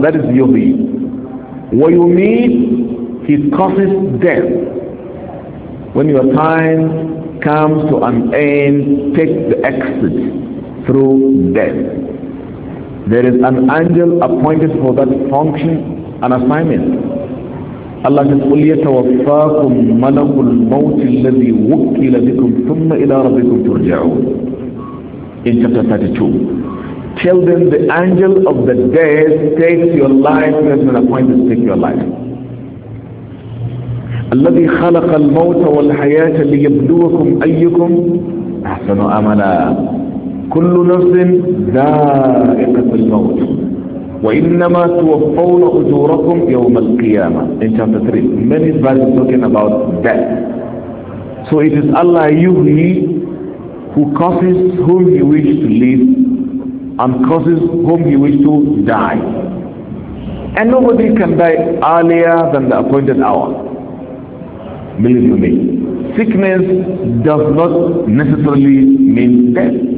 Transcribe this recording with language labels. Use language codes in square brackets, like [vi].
[en] That is yuhyi. [ar] Wa yumeet, [en] he causes death. When your time comes to an end, take the exit through death. There is an angel appointed for that function and assignment. Allah says, [ar] قُلْ يَتَوَفَّاكُمْ مَلَكُ الْمَوْتِ الَّذِي وُكِّلَ بِكُمْ ثُمَّ إِلَىٰ رَبِّكُمْ تُرْجَعُونَ. [en] In chapter 32. Tell them the angel of the dead takes your life, has been appointed to take your life. [ar] الَّذِي خَلَقَ الْمَوْتَ وَالْحَيَاةَ لِيَبْلُوَكُمْ أَيُّكُمْ أَحْسَنُ أَمَلًا. كل نفس ذائقة الموت وإنما توفون أجوركم يوم القيامة. [en] In chapter 3, many verses talking about death. So it is Allah Yuhyi who causes whom he wishes to live and causes whom he wishes to die. And nobody can die earlier than the appointed hour. Believe you me, sickness does not necessarily mean death.